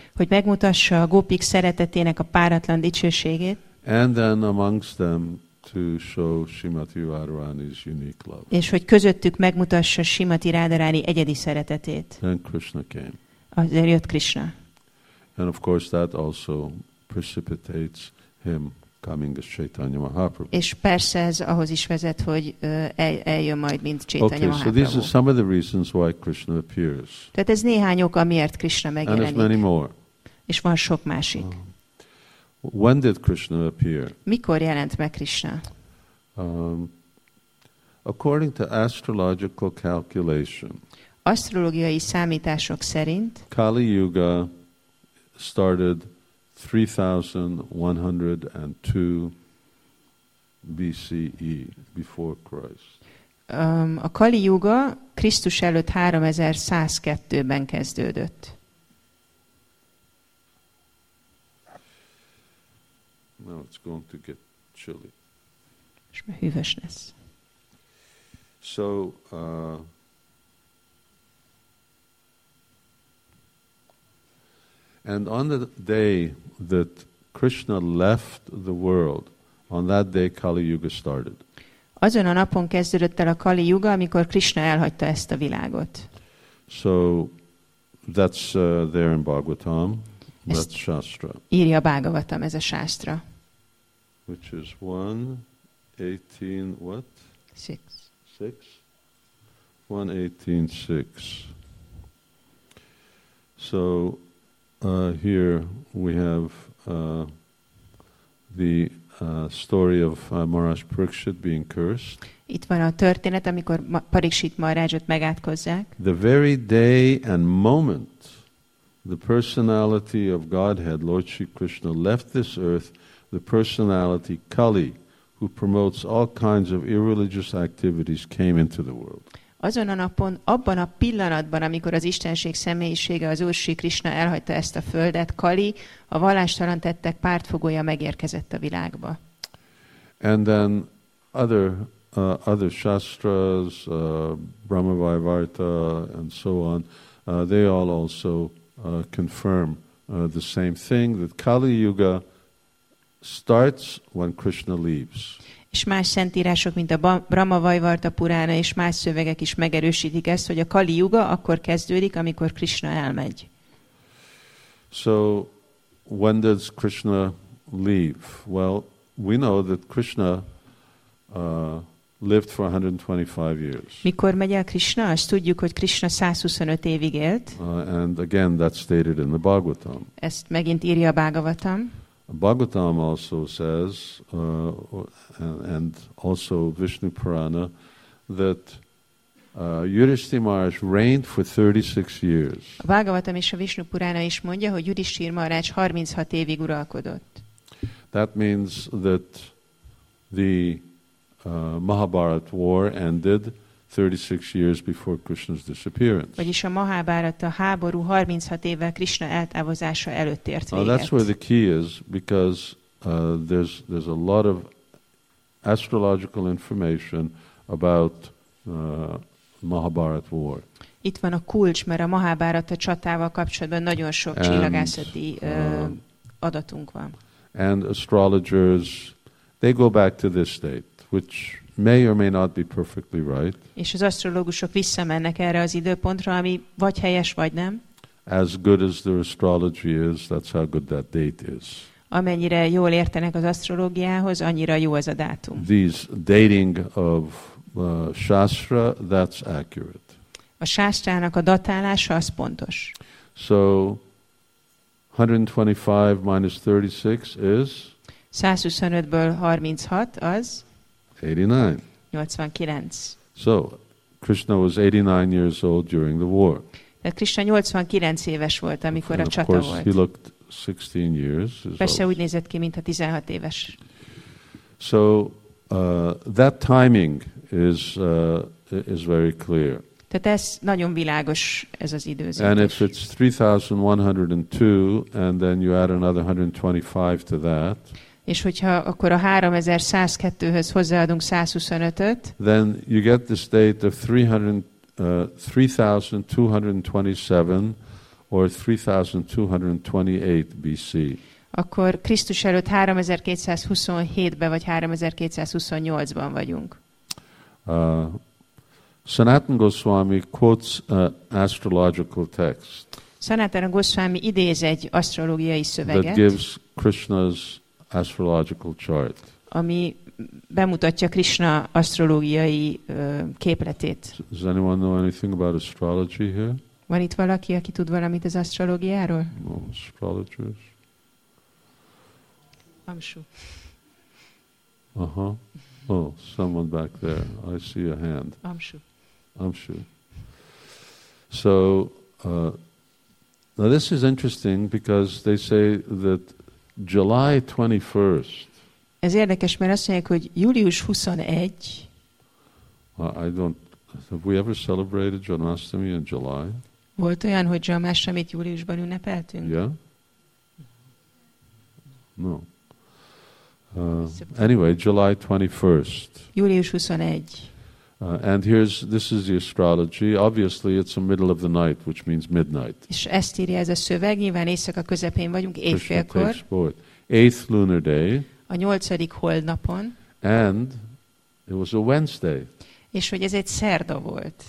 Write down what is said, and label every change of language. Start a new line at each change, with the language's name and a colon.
Hungarian: Hogy megmutassa a gopik szeretetének a páratlan dicsőségét.
English: And then amongst them to show Srimati Radharani's unique love.
Hungarian: És hogy közöttük megmutassa Srimati Radharani egyedi szeretetét.
English: Then Krishna came.
Hungarian: Azért jött Krishna.
English: And of course that also precipitates him coming as Chaitanya Mahaprabhu.
Hungarian: És persze ez ahhoz is vezet, hogy eljön majd, mint Chaitanya Mahaprabhu.
English: Okay, so these are some of the reasons why Krishna appears.
Hungarian: Tehát ez néhány oka, miért Krishna megjelenik.
English: And there's many more.
Hungarian: És van sok másik.
English: When did Krishna appear?
Hungarian: Mikor jelent meg Krishna?
English: According to astrological calculation,
Hungarian: asztrológiai számítások szerint,
English: Kali Yuga started 3102 BCE, before Christ.
Hungarian: A Kali Yuga Krisztus előtt 3102-ben kezdődött.
English: Now it's going to get chilly.
Hungarian: És már hűvös lesz.
English: So, And on the day that Krishna left the world, on that day Kali Yuga started.
Hungarian: Azon a napon kezdődött el a Kali Yuga, amikor Krishna elhagyta ezt a világot.
English: So that's there in Bhagavatam.
Hungarian: That's ezt Shastra. Írja Bhagavatam, ez a Shastra.
English: Which is 118 what? 6. 6. 118:6. So here we have the story of Maharaj Parikshit being cursed.
Hungarian: Itt van a történet, amikor Parikshit Maharajot megátkozzák.
English: The very day and moment the personality of Godhead, Lord Sri Krishna, left this earth, the personality Kali, who promotes all kinds of irreligious activities, came into the world.
Hungarian: Azon a napon, abban a pillanatban, amikor az Istenség személyisége, az Úr Sri Krishna elhagyta ezt a földet, Kali, a vallástalan tettek pártfogója megérkezett a világba.
English: And then other shastras, Brahmavivarta and so on, they all also confirm the same thing, that Kali Yuga starts when Krishna leaves.
Hungarian: És más szentírások, mint a Brahma Vaivarta Purána és más szövegek is megerősítik ezt, hogy a Kali Yuga akkor kezdődik, amikor Krishna elmegy.
English: So, when does Krishna leave? Well, we know that Krishna lived for 125 years.
Hungarian: Mikor megy el Krishna? Azt tudjuk, hogy Krishna 125 évig élt.
English: And again, that's stated in the Bhagavatam.
Hungarian: Ezt megint írja a Bhagavatam.
English: Bhagavatam also says, and also Vishnu Purana, that Yudhishthir Maharaj reigned for 36 years.
Hungarian: Bhagavatam és a Vishnu Purana is mondja, hogy Yudhishthir Maharaj 36 évig uralkodott.
English: That means that the Mahabharata war ended 36 years before Krishna's disappearance.
Hungarian: Vagyis a Mahábharata háború 36 évvel Krishna eltávozása előtt ért véget.
English: That's where the key is, because there's a lot of astrological information about Mahabharata war.
Hungarian: Itt van a kulcs, mert a Mahábharata csatával kapcsolatban nagyon sok csillagászati adatunk van.
English: And astrologers, they go back to this date, which may or may not be perfectly right.
Hungarian: És az asztrológusok visszamennek erre az időpontra, ami vagy helyes, vagy nem.
English: As good as their astrology is, that's how good that date is.
Hungarian: Amennyire jól értenek az asztrológiához, annyira jó az a dátum.
English: This dating of Shastra, that's accurate.
Hungarian: A Shastrának a datálása az pontos.
English: So 125 minus 36 is?
Hungarian: 125-ből 36 az? 89.
English: So, Krishna was 89 years old during the war.
Hungarian: De Krishna 89 éves volt, amikor
English: and
Hungarian: a csata volt.
English: He looked 16 years.
Hungarian: Persze úgy nézett ki, mint a 16 éves.
English: So, that timing is very clear.
Hungarian: Tehát ez nagyon világos, ez az időzítés.
English: And if it's 3102, and then you add another 125 to that,
Hungarian: és hogyha akkor a 3102-höz hozzáadunk 125-öt,
English: then you get this date of 3227 or 3228 BC.
Hungarian: Akkor Krisztus előtt 3227-ben vagy 3228-ban vagyunk.
English: Sanatana Goswami quotes astrological text.
Hungarian: Sanatana Goswami idéz egy asztrológiai szöveget.
English: That gives Krishna's astrological chart.
Hungarian: Ami bemutatja Krishna asztrológiai képletét.
English: Does anyone know anything about astrology here?
Hungarian: Van itt valaki, aki tud valamit az asztrológiáról?
English: No, astrologers. I'm sure. Uh-huh. Oh, someone back there. I see a hand. I'm sure. So, now this is interesting because they say that July 21st.
Hungarian: Ez érdekes, mert azt mondják, hogy július 21.
English: Have we ever celebrated Janmashtami in July?
Hungarian: Volt olyan, hogy Janmashtamit júliusban ünnepeltünk?
English: Yeah? No. Anyway, July 21st.
Hungarian: Július 21.
English: And here's this is the astrology. Obviously, it's the middle of the night, which means midnight.
Hungarian: És ezt írja ez a szöveg, nyilván éjszaka közepén vagyunk, éjfélkor.
English: Eighth lunar day.
Hungarian: A nyolcadik holdnapon.
English: And it was a Wednesday.
Hungarian: És hogy ez egy szerda volt.